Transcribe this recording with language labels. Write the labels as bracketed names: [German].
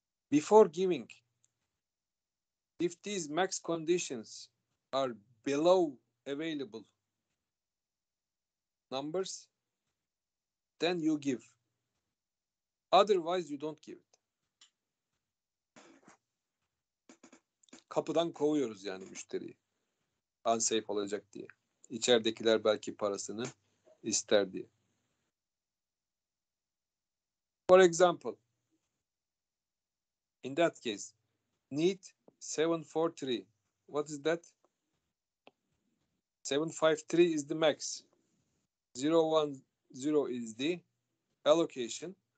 [English] Before giving, if these max conditions are below available numbers, then you give. Otherwise, you don't give it. [Turkish] Kapıdan kovuyoruz yani müşteriyi. Unsafe olacak diye. İçeridekiler belki parasını ister diye. [English] For example, in that case, need 743. What is that? 753 is the max. 010 is the allocation.